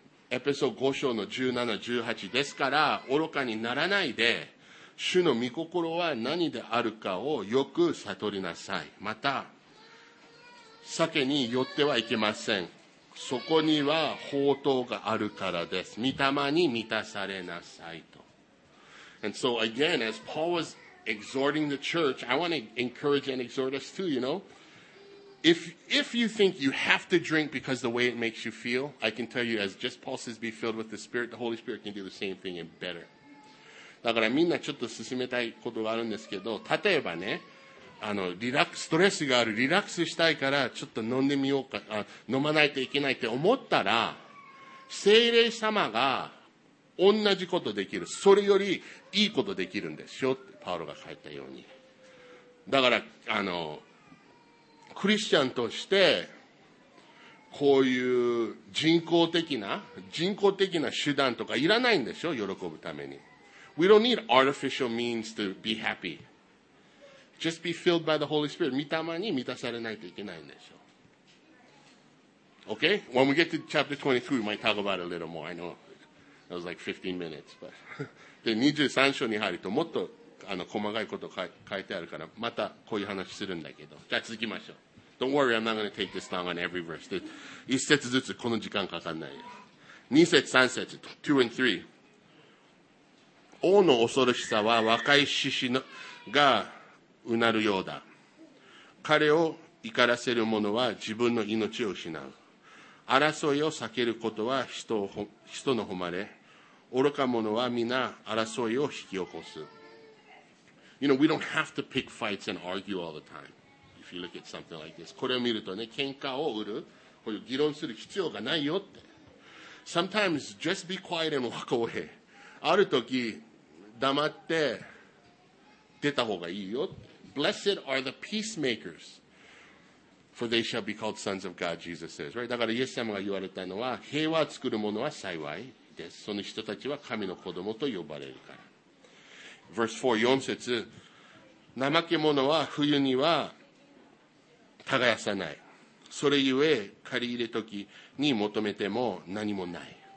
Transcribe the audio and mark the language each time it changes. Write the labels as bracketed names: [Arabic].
[Japanese] エペソ5章の17、18ですから愚かにならないで主の御心は何であるかをよく悟りなさい。また、酒に酔ってはいけません。そこには宝刀があるからです。御霊に満たされなさいと。 [English] And so again, as Paul was exhorting the church, I want to encourage and exhort us too, you know. If you think you have to drink because the way it makes you feel, I can tell you as just Paul says, be filled with the Spirit, the Holy Spirit can do the same thing and better. [Japanese] だからみんなちょっと進めたいことがあるんですけど例えばねリラックスストレスがあるリラックスしたいからちょっと飲んでみようか飲まないといけないって思ったら聖霊様が同じことできるそれよりいいことできるんですよってパウロが書いたようにだからクリスチャンとしてこういう人工的な手段とかいらないんでしょ喜ぶために [English] We don't need artificial means to be happy. Just be filled by the Holy Spirit. [Japanese] 御霊に満たされないといけないんでしょう。 [English] Okay? When we get to chapter 23, we might talk about it a little more. I know it was like 15 minutes. But [Japanese] で、23章に入るともっと細かいこと書いてあるから、またこういう話するんだけど。じゃあ続きましょう。 [English] Don't worry, I'm not going to take this long on every verse. [Japanese] 一節ずつこの時間かかんないよ。二節、三節、2 and 3。王の恐ろしさは若い獅子がうなるようだ。彼を怒らせる者は自分の命を失う。争いを避けることは人の誉れ。愚か者は皆争いを引き起こす。 [English] You know, we don't have to pick fights and argue all the time. If you look at something like this. [Japanese] これを見るとね、喧嘩を売る、こういう議論する必要がないよって。 [English] Sometimes just be quiet and walk away. [Japanese] ある時黙って出た方がいいよ [English] Blessed are the peacemakers for they shall be called sons of God Jesus says、right? [Japanese] だからイエス様が言われたのは平和を作る者は幸いですその人たちは神の子供と呼ばれるから [English] Verse 4, [Japanese] 4節怠け者は冬には耕さないそれゆえ借り入れ時に求めても何もない